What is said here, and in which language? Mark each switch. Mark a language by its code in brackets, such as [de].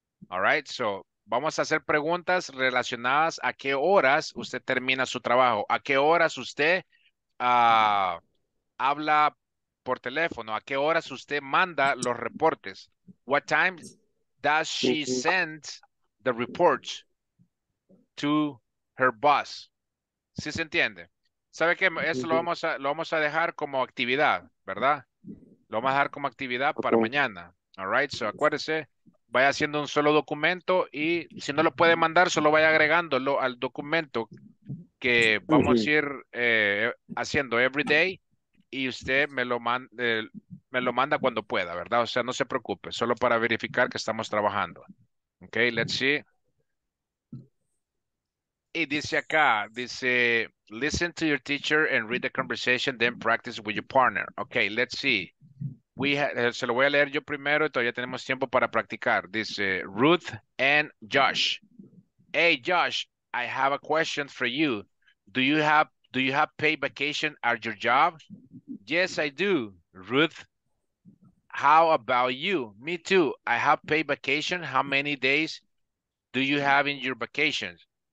[en] All right, so [es] vamos a hacer preguntas relacionadas a qué horas usted termina su trabajo, a qué horas usted habla por teléfono, a qué horas usted manda los reportes. [en] What time does she send the reports to her boss? [es] ¿Sí se entiende? ¿Sabe qué? Eso lo vamos a dejar como actividad, ¿verdad? Lo vamos a dejar como actividad para mañana. [en] All right, so [es] acuérdese, vaya haciendo un solo documento y si no lo puede mandar, solo vaya agregándolo al documento que vamos a ir haciendo [en] every day [es] y usted me lo manda cuando pueda, ¿verdad? O sea, no se preocupe, solo para verificar que estamos trabajando. [en] Okay, let's see. [es] Y dice acá, dice, [en] listen to your teacher and read the conversation, then practice with your partner. Okay, let's see. [es] Se lo voy a leer yo primero y todavía tenemos tiempo para practicar. Dice, Ruth and Josh. [en] Hey, Josh, I have a question for you. Do you have paid vacation at your job? Yes, I do, Ruth. How about you? Me too. I have paid vacation. How many days do you have in your vacations?